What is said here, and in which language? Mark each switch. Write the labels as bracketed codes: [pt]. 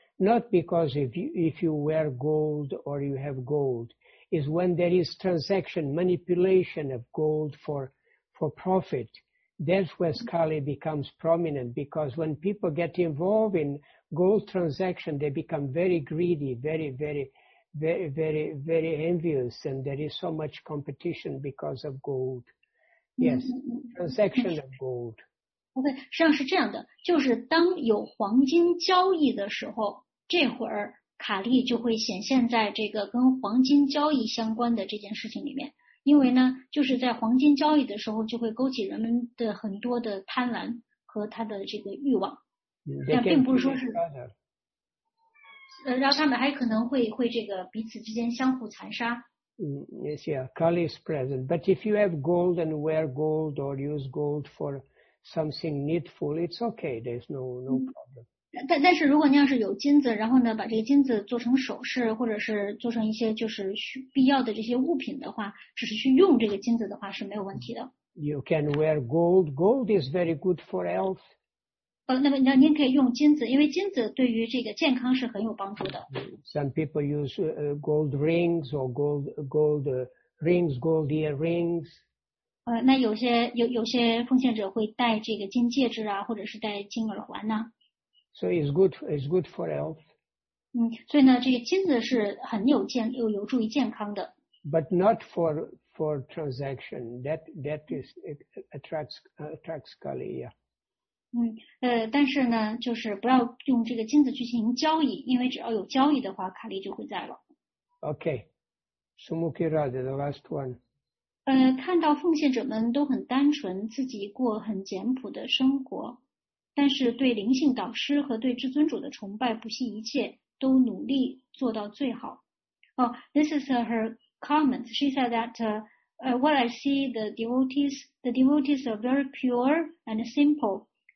[en] Not because if you wear gold or you have gold, is when there is transaction, manipulation of gold for profit. That's where Kali becomes prominent, because when people get involved in gold transaction, they become very greedy, very, very, very, very, very envious, and there is so much competition because of gold. Yes, transaction of gold. [zh] OK, 实际上是这样的，就是当有黄金交易的时候，这会儿卡利就会显现在这个跟黄金交易相关的这件事情里面。因为呢，就是在黄金交易的时候，就会勾起人们的很多的贪婪和他的这个欲望。但并不是说是，然后他们还可能会这个彼此之间相互残杀。 [en] Yes, yeah, Kali is present. But if you have gold and wear gold or use gold for... something needful, it's okay, there's no problem. [zh] 但是如果您要是有金子，然后呢把这个金子做成首饰，或者是做成一些就是必要的这些物品的话，只是去用这个金子的话是没有问题的。 [en] You can wear gold. Gold is very good for health. [zh] 那么您可以用金子，因为金子对于这个健康是很有帮助的。 [en] Some people use gold rings or gold rings, gold earrings. [zh] 那有些奉献者会戴这个金戒指啊，或者是戴金耳环呢、啊。 [en] So it's good for health. [zh] 所以呢，这个金子是很有助于健康的。 [en] But not for for transaction. That attracts Kali, yeah. [zh] 但是呢, 就是不要用这个金子去进行交易, 因为只要有交易的话, Kali就会在了。 [en] Okay. Sumukirade, the last one. [zh] 看到奉献者们都很单纯, 自己过很简朴的生活, 但是对灵性导师和对至尊主的崇拜不惜一切, 都努力做到最好。 [en] Oh, this is her comments. She said that what I see the devotees are very pure and simple.